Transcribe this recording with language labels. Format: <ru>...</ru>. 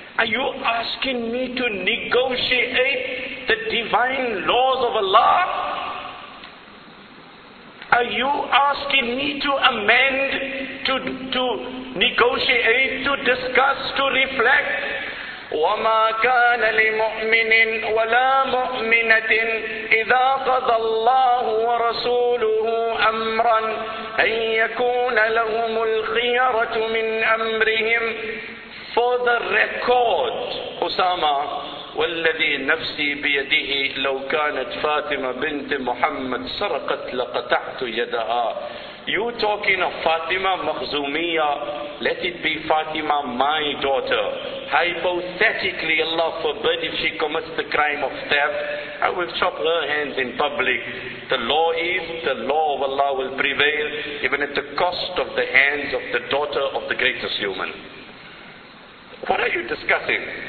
<en>Are you asking me to negotiate the divine laws of Allah? Are you asking me to amend, to negotiate, to discuss, to reflect?</en> <ar>وَمَا كَانَ لِمُؤْمِنٍ وَلَا مُؤْمِنَةٍ إِذَا قَضَى اللَّهُ وَرَسُولُهُ أَمْرًا أَنْ يَكُونَ لَهُمُ الْخِيَرَةُ مِنْ أَمْرِهِمْ</ar> <en>For the record, Usama,</en> <ar>والذي نفسي بيده لو كانت فاطمة بنت محمد سرقت لقطعت يدها.</ar> <en>You talking of Fatima Makhzoomiya, let it be Fatima, my daughter. Hypothetically, Allah forbid, if she commits the crime of theft, I will chop her hands in public. The law of Allah will prevail, even at the cost of the hands of the daughter of the greatest human. What are you discussing?</en>